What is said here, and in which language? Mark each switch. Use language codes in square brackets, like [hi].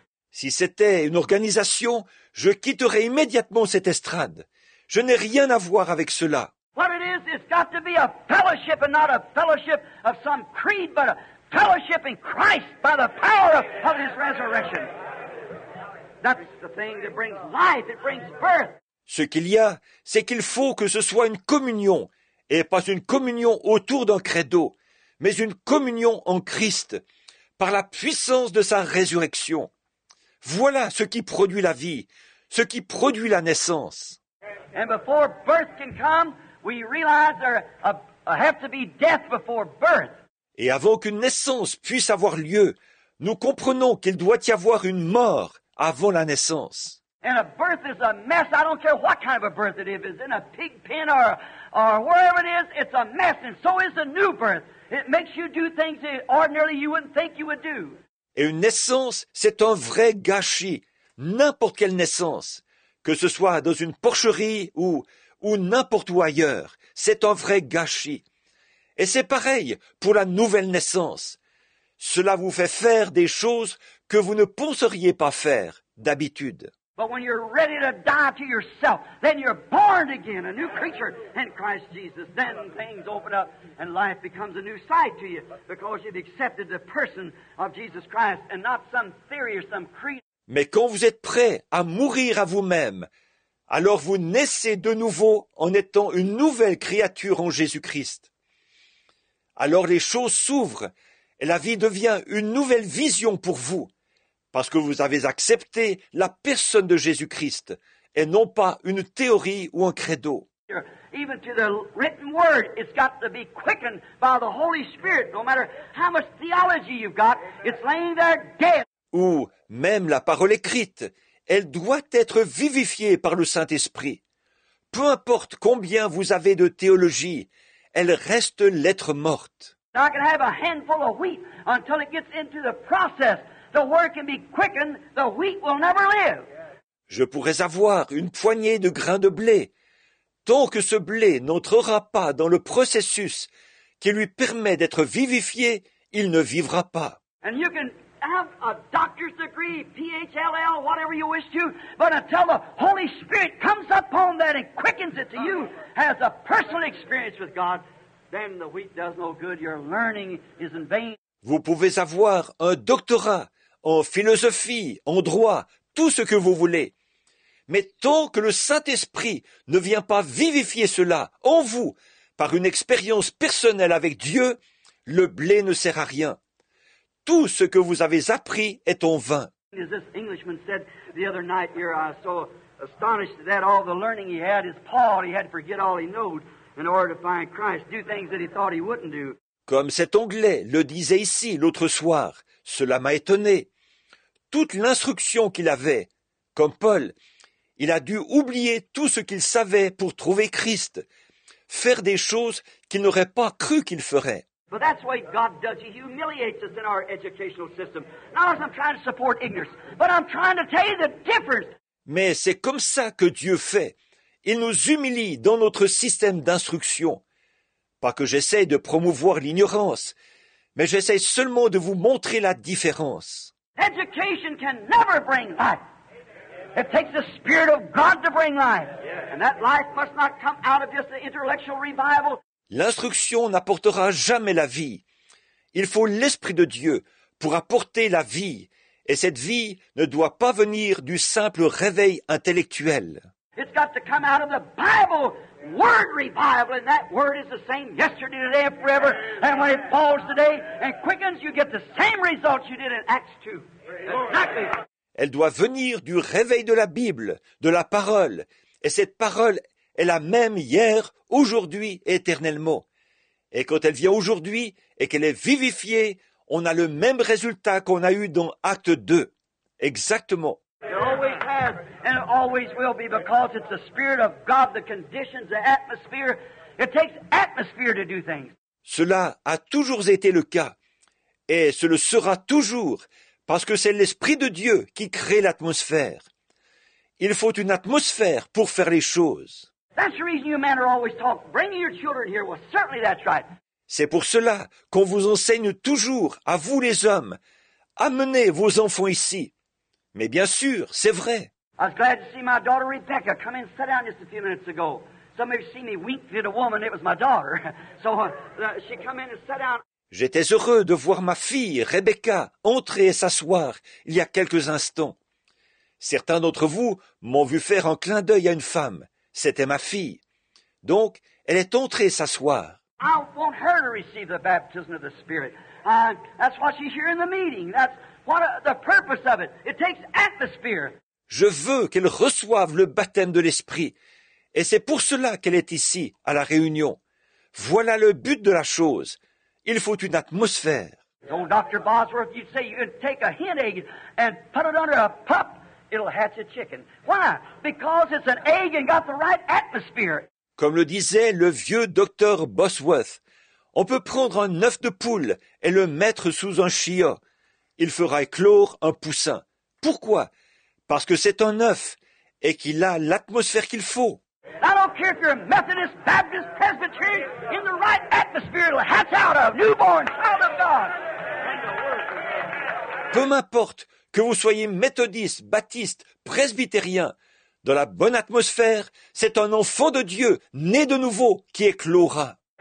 [fr] Si c'était une organisation, je quitterais immédiatement cette estrade. Je n'ai rien à voir avec cela. [en] What it is, it's got to be a fellowship and not a fellowship of some creed, but a fellowship in Christ by the power of His resurrection. That's the thing that brings life, it brings birth. [fr] Ce qu'il y a, c'est qu'il faut que ce soit une communion, et pas une communion autour d'un credo, mais une communion en Christ, par la puissance de sa résurrection. Voilà ce qui produit la vie, ce qui produit la naissance. [en] And before birth can come, we realize there have to be death before birth. [fr] Et avant qu'une naissance puisse avoir lieu, nous comprenons qu'il doit y avoir une mort avant la naissance. [en] And a birth is a mess. I don't care what kind of a birth it is. If it's in a pig pen or wherever it is, it's a mess. And so is a new birth. It makes you do things that ordinarily you wouldn't think you would do. [fr] Et une naissance, c'est un vrai gâchis. N'importe quelle naissance, que ce soit dans une porcherie ou n'importe où ailleurs, c'est un vrai gâchis. Et c'est pareil pour la nouvelle naissance. Cela vous fait faire des choses que vous ne penseriez pas faire d'habitude. [en] But when you're ready to die to yourself, then you're born again, a new creature in Christ Jesus. Then things open up and life becomes a new sight to you because you've accepted the person of Jesus Christ and not some theory or some creed. [fr] Mais quand vous êtes prêt à mourir à vous-même, alors vous naissez de nouveau en étant une nouvelle créature en Jésus-Christ. Alors les choses s'ouvrent et la vie devient une nouvelle vision pour vous parce que vous avez accepté la personne de Jésus-Christ et non pas une théorie ou un credo. [en] Even to the written word, it's got to be quickened by the Holy Spirit. No matter how much theology you've got, it's laying there dead. [fr] Ou même la parole écrite, elle doit être vivifiée par le Saint-Esprit. Peu importe combien vous avez de théologie, elle reste lettre morte. [en] I can have a handful of wheat until it gets into the process. The word can be quickened, the wheat will never live. [fr] Je pourrais avoir une poignée de grains de blé. Tant que ce blé n'entrera pas dans le processus qui lui permet d'être vivifié, il ne vivra pas. [en] And you can have a doctor's degree, PhD, whatever you wish to, but until the Holy Spirit comes upon that and quickens it to you, has a personal experience with God, then the wheat does no good. Your learning is in vain. [fr] Vous pouvez avoir un doctorat en philosophie, en droit, tout ce que vous voulez. Mais tant que le Saint-Esprit ne vient pas vivifier cela en vous par une expérience personnelle avec Dieu, le blé ne sert à rien. Tout ce que vous avez appris est en vain. [en] As this Englishman said the other night here, I was so astonished that all the learning he had is Paul. He had to forget all he knew in order to find Christ, do things that he thought he wouldn't do. [fr] Comme cet Anglais le disait ici l'autre soir, cela m'a étonné. Toute l'instruction qu'il avait, comme Paul, il a dû oublier tout ce qu'il savait pour trouver Christ, faire des choses qu'il n'aurait pas cru qu'il ferait. [en] But that's what God does. He humiliates us in our educational system. Not as I'm trying to support ignorance, but I'm trying to tell you the difference. [fr] Mais c'est comme ça que Dieu fait. Il nous humilie dans notre système d'instruction. Pas que j'essaie de promouvoir l'ignorance, mais j'essaie seulement de vous montrer la différence. [en] Education can never bring life. It takes the Spirit of God to bring life. And that life must not come out of just the intellectual revival. [fr] L'instruction n'apportera jamais la vie. Il faut l'Esprit de Dieu pour apporter la vie Et cette vie ne doit pas venir du simple réveil intellectuel. [en] It's got to come out of the Bible, word revival, and that word is the same yesterday, today, and forever. And when it falls today and quickens, you get the same results you did in Acts 2. Exactly. [fr] Elle doit venir du réveil de la Bible, de la parole. Et cette parole est la même hier, aujourd'hui et éternellement. Et quand elle vient aujourd'hui et qu'elle est vivifiée, on a le même résultat qu'on a eu dans Acte 2. Exactement. [en] It always has and it always will be because it's the Spirit of God, the conditions, the atmosphere. It takes atmosphere to do things. [fr] Cela a toujours été le cas et ce le sera toujours parce que c'est l'Esprit de Dieu qui crée l'atmosphère. Il faut une atmosphère pour faire les choses. [en] That's the reason you men are always taught, bring your children here. Well, certainly that's right. [fr] C'est pour cela qu'on vous enseigne toujours, à vous les hommes, amenez vos enfants ici. Mais bien sûr, c'est vrai. [en] I was glad to see my daughter Rebecca come in, sit down just a few minutes ago. Somebody seen me wink at a woman, it was my daughter. So she come in and sat down. [fr] J'étais heureux de voir ma fille, Rebecca, entrer et s'asseoir il y a quelques instants. Certains d'entre vous m'ont vu faire un clin d'œil à une femme. C'était ma fille. Donc, elle est entrée s'asseoir. [en] I want her to receive the baptism of the Spirit. That's why she's here in the meeting. That's what the purpose of it. It takes atmosphere. [fr] Je veux qu'elle reçoive le baptême de l'Esprit. Et c'est pour cela qu'elle est ici, à la réunion. Voilà le but de la chose. Il faut une atmosphère. [en] So, Dr. Bosworth, you say you can take a hen egg and put it under a pup. It'll hatch a chicken. Why? Because it's an egg and got the right atmosphere. [fr] Comme le disait le vieux docteur Bosworth, on peut prendre un œuf de poule et le mettre sous un chiot. Il fera éclore un poussin. Pourquoi? Parce que c'est un œuf et qu'il a l'atmosphère qu'il faut. [en] I don't care if you're a Methodist, Baptist, Presbyterian, in the right atmosphere it'll hatch out of, newborn child of God. [fr] Peu m'importe que vous soyez méthodiste, baptiste, presbytérien, dans la bonne atmosphère, c'est un enfant de Dieu, né de nouveau, qui éclora.